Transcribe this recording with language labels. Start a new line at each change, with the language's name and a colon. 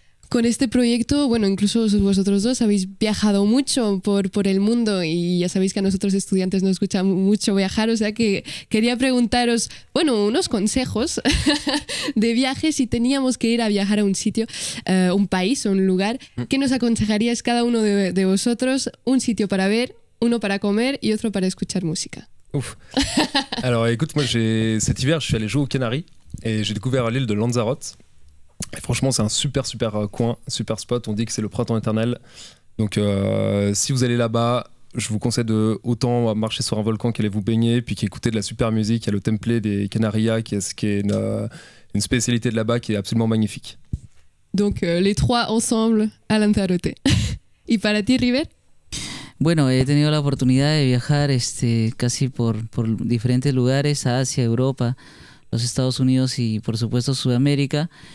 Spanish: con este proyecto, bueno, incluso vosotros dos habéis viajado mucho por el mundo y ya sabéis que a nosotros estudiantes nos gusta mucho viajar, o sea que quería preguntaros, bueno, unos consejos de viaje si teníamos que ir a viajar a un sitio, un país o un lugar. ¿Qué nos aconsejaríais cada uno de vosotros? Un sitio para ver, uno para comer y otro para escuchar música. Ouf.
French: Alors écoute, moi j'ai cet hiver je suis allé jouer aux Canaries et j'ai découvert l'île de Lanzarote. Et franchement c'est un super super coin, super spot. On dit que c'est le printemps éternel. Donc si vous allez là-bas, je vous conseille de autant marcher sur un volcan qu'aller vous baigner, puis qu'écouter de la super musique. Il y a le temple des Canarias qui est une spécialité de là-bas qui est absolument magnifique. Donc les trois ensemble à Lanzarote. Et pour toi River?
Spanish: Bueno, he tenido la oportunidad de viajar casi por diferentes lugares, Asia, Europa, los Estados Unidos y por supuesto Sudamérica.